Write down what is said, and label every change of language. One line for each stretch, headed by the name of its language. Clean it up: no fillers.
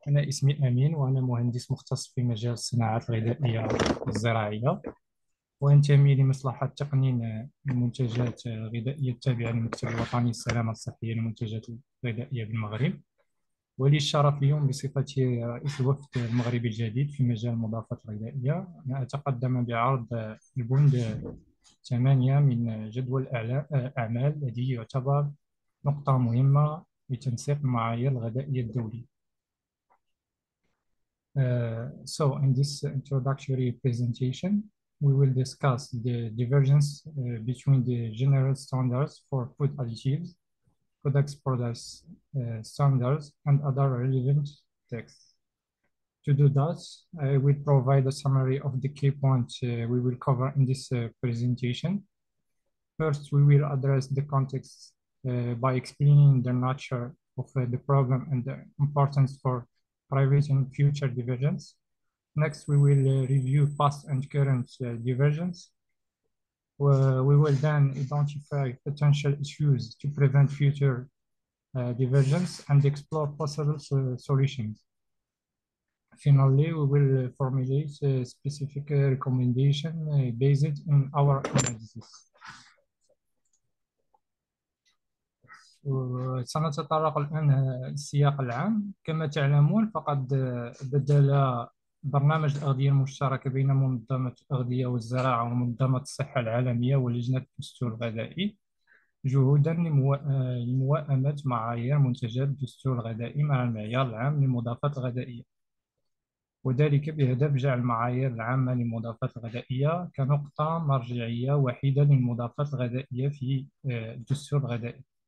Arabic: أنا اسمي أمين وأنا مهندس مختص في مجال الصناعات الغذائية والزراعية، وانتمي لمصلحة تقنين المنتجات الغذائية التابعة للمكتب الوطني للسلامة الصحية للمنتجات الغذائية بالمغرب، ولي الشرف اليوم بصفتي رئيس الوفد المغربي الجديد في مجال المضافات الغذائية. أنا أتقدم بعرض البند 8 من جدول أعمال الذي يعتبر نقطة مهمة لتنسيق المعايير الغذائية الدولية.
English: So in this introductory presentation, we will discuss the divergence between the general standards for food additives, products products standards, and other relevant texts. To do that, I will provide a summary of the key points we will cover in this presentation. First, we will address the context by explaining the nature of the problem and the importance for private and future divergence. Next, we will review past and current divergence. We will then identify potential issues to prevent future divergence and explore possible solutions. Finally, we will formulate a specific recommendation based on our analysis.
Arabic: سنتطرق الآن للسياق العام. كما تعلمون، فقد بدل برنامج الأغذية المشترك بين منظمة الأغذية والزراعة ومنظمة الصحة العالمية ولجنة الدستور الغذائي جهودا لموائمة معايير منتجات الدستور الغذائي مع المعيار العام للمضافات الغذائية، وذلك بهدف جعل المعايير العامة للمضافات الغذائية كنقطة مرجعية وحيدة للمضافات الغذائية في الدستور الغذائي.